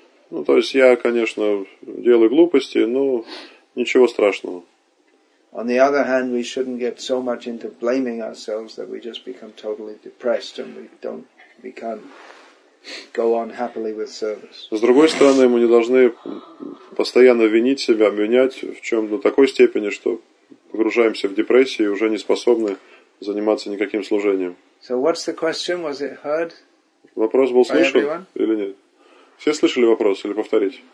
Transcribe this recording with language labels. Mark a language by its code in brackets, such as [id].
[ru] Ну, то есть я, конечно, делаю глупости, но ничего страшного. [en] On the other hand, we shouldn't get so much into blaming ourselves that we just become totally depressed and we can't go on happily with service. [ru] С другой стороны, мы не должны постоянно винить себя, обвинять в чем-то до такой степени, что погружаемся в депрессию и уже не способны заниматься никаким служением. [en] So what's the question? Was it heard? [ru] Вопрос был слышен или нет? Все слышали вопрос или повторить?